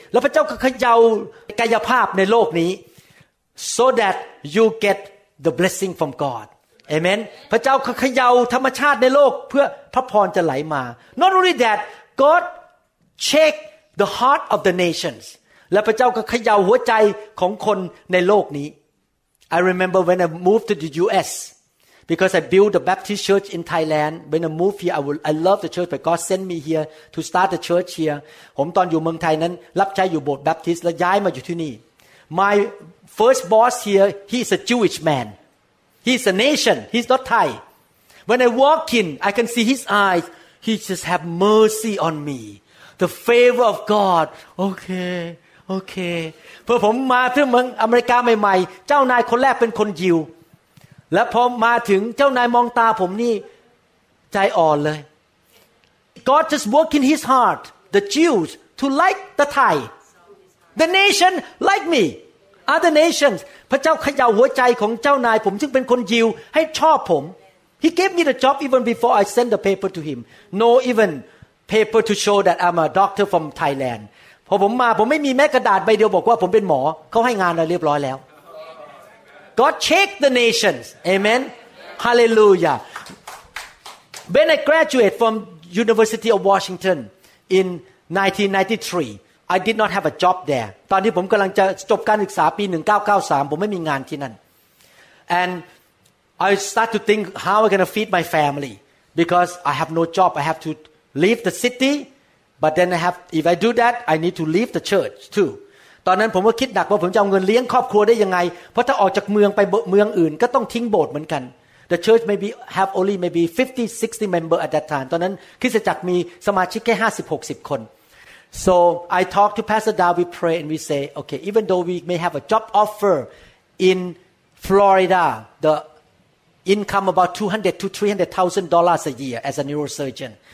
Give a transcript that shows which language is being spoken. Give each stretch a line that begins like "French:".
Thai: แล้วพระเจ้าก็เขย่ากายภาพในโลกนี้
English: so that you get the blessing from God. Amen.
Thai: พระเจ้าเขย่าธรรมชาติในโลกเพื่อพระพรจะไหลมา
English: Not only that, God shake the heart of the nations.
Thai: และพระเจ้าก็เขย่าหัวใจของคนในโลกนี้
English: I remember when I moved to the U.S. because I built a Baptist church in Thailand. When I moved here, I love the church, but God sent me here to start the church here.
Thai: ผมตอนอยู่เมืองไทยนั้นรับใช้อยู่โบสถ์ Baptist และย้ายมาอยู่ที่นี่
English: My first boss here, he is a Jewish man. He's a nation. He's not Thai. When I walk in, I can see his eyes. He just have mercy on me. The favor of God. Okay, okay.
Thai: พอผมมาถึงเมืองอเมริกาใหม่ๆเจ้านายคนแรกเป็นคนยิวและพอมาถึงเจ้านายมองตาผมนี่ใจอ่อนเลย
English: God just work in his heart, the Jews, to like the Thai. The nation like me. Other nations,
Thai: พระเจ้าเขย่าหัวใจของเจ้านายผมซึ่งเป็นคนยิวให้ชอบผม
English: He gave me the job even before I sent the paper to him. No even paper to show that I'm a doctor from Thailand.
Thai: พอผมมาผมไม่มีแม้กระดาษใบเดียวบอกว่าผมเป็นหมอเขาให้งานเราเรียบร้อยแล้ว
English: God shake the nations. Amen. Hallelujah. When I graduated from University of Washington in 1993. I did not have a job there.
Thai: ตอนที่ผมกำลังจะจบการศึกษาปี1993ผมไม่มีงานที่นั่น
English: And I start to think how I'm going to feed my family because I have no job. I have to leave the city. But then I have if I do that, I need to leave the church too.
Thai: ตอนนั้นผมก็คิดหนักว่าผมจะเอาเงินเลี้ยงครอบครัวได้ยังไงเพราะถ้าออกจากเมืองไปเมืองอื่นก็ต้องทิ้งโบสถ์เหมือนกัน
English: The church maybe have only maybe 50-60 member at that time.
Thai: ตอนนั้นคริสตจักรมีสมาชิกแค่ 50-60 คน
English: So I talk to Pastor Dao, we pray and we say, okay, even though we may have a job offer in Florida, the income about $200,000 to $300,000 a year as a neurosurgeon.